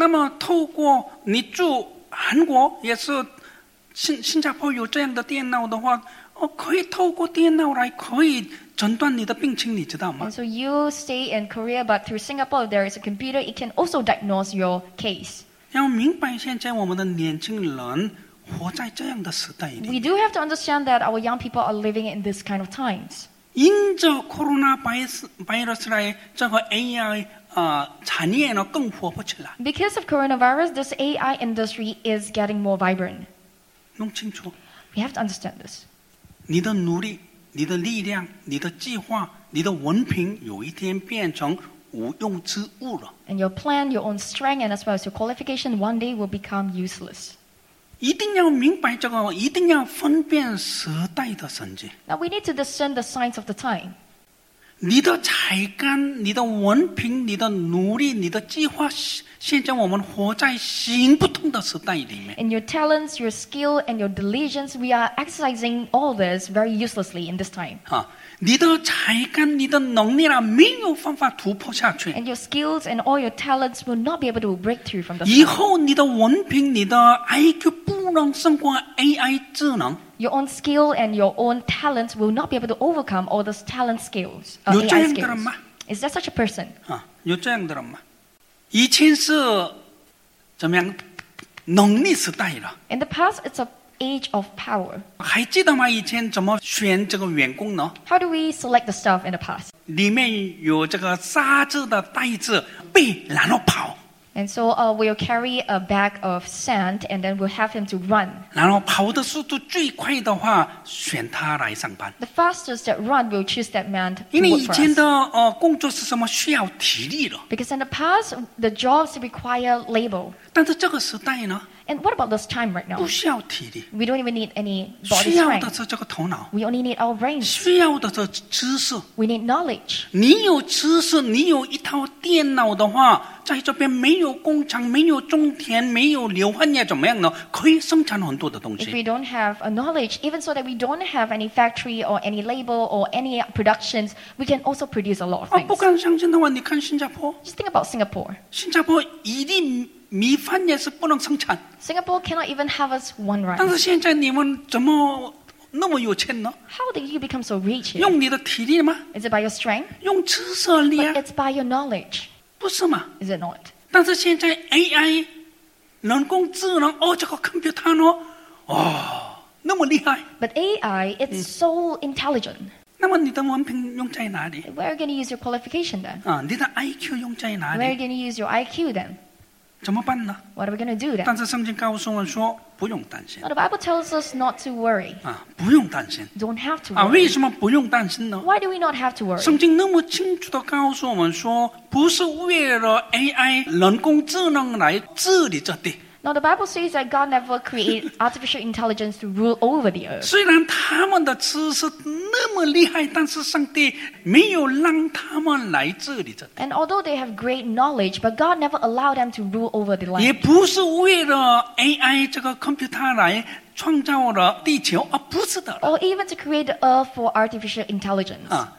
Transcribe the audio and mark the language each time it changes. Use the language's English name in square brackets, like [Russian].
[Chinese] 那么透过你住韩国也是。新加坡有这样的电脑的话，可以透过电脑来可以诊断你的病情，你知道吗 [English] ？And so you stay in Korea, but through Singapore there is a computer. It can also diagnose your case. [Chinese] 要明白现在我们的年轻人活在这样的时代里。 [English] We do have to understand that our young people are living in this kind of times. [Chinese] 因着 coronavirus 来这个 AI。产业呢更活泼起来。 [English] Because of coronavirus, this AI industry is getting more vibrant. [Chinese] 弄清楚。 [English] We have to understand this. [Chinese] 你的努力、你的力量、你的计划、你的文凭，有一天变成无用之物了。 [English] And your plan, your own strength, and as well as your qualification, one day will become useless. [Chinese] 一定要明白这个，一定要分辨时代的神迹。 [English] Now we need to discern the signs of the time. [Chinese] 你的才干、你的文凭、你的努力、你的计划，现在我们活在行不通的时代里面。 [English] And your talents, your skill, and your diligence, we are exercising all this very uselessly in this time. [Chinese] 啊，你的才干、你的能力啊，没有办法突破下去。 [English] And your skills and all your talents will not be able to break through from the. [Chinese] 以后你的文凭、你的 IQ 不能胜过 AI 智能。 [English] Your own skill and your own talents will not be able to overcome all those talent skills. [Chinese] 有这样的人吗？ [English] Is there such a person? [Chinese] 啊，有这样的人吗？以前是怎么样？能力时代了。 [English] In the past, it's an age of power. [Chinese] 还记得吗？以前怎么选这个员工呢？ [English] How do we select the staff in the past? [Chinese] 里面有这个沙子的袋子，背然后跑。 [English] And so we'll carry a bag of sand and then we'll have him to run. 然后跑的速度最快的话选他来上班。 The fastest that run will choose that man to work for us. [Chinese] 因为以前的工作是什么需要体力了。 [English] Because in the past, the jobs require labor. [Chinese] 但是这个时代呢 [English] And what about this time right now? [Chinese] 不需要体力。 [English] We don't even need any body strength. [Chinese] 需要的是这个头脑。 [English] We only need our brains. [Chinese] 需要的是知识。 [English] We need knowledge. [Chinese] 你有知识你有一套电脑的话在这边没有工厂没有种田没有硫磺也怎么样呢可以生产很多的东西 [English] If we don't have a knowledge even so that we don't have any factory or any label or any productions we can also produce a lot of things [Chinese] 不敢相信的话你看新加坡 [English] Just think about Singapore [Chinese] 新加坡一定 미판예스 不能生产. [English] Singapore cannot even have us one rice. [Chinese] 但是现在你们怎么 那么有钱呢? [English] How did you become so rich? [Chinese] 用你的体力吗? [English] Is it by your strength? [Chinese] 用知识力啊? [English] But it's by your knowledge. [Chinese] 不是吗? [English] Is it not? [Chinese] 但是现在 AI 人工智能这个 computer呢? 那么厉害? [English] But AI it's so intelligent. [Chinese] 那么你的文凭用在哪里? [English] Where are you going to use your qualification then? [Chinese] 你的 IQ用在哪里? [English] Where are you going to use your IQ then? [Chinese] 怎么办呢? [English] What are we going to do then? [Chinese] 但是圣经告诉我们说 不用担心. [English] But the Bible tells us not to worry. [Chinese] 不用担心. [English] Don't have to worry. [Chinese] 为什么不用担心呢? [English] Why do we not have to worry? [Chinese] 圣经那么清楚地告诉我们说 不是为了 AI 人工智能来治理这地。 [English] Now the Bible says that God never created artificial intelligence to rule over the earth. [Chinese] 虽然他们的知识那么厉害, 但是上帝没有让他们来治理着。 [English] And although they have great knowledge, but God never allowed them to rule over the land. [Chinese] 也不是为了AI这个computer来创造了地球, 不是的。 [English] Or even to create the earth for artificial intelligence.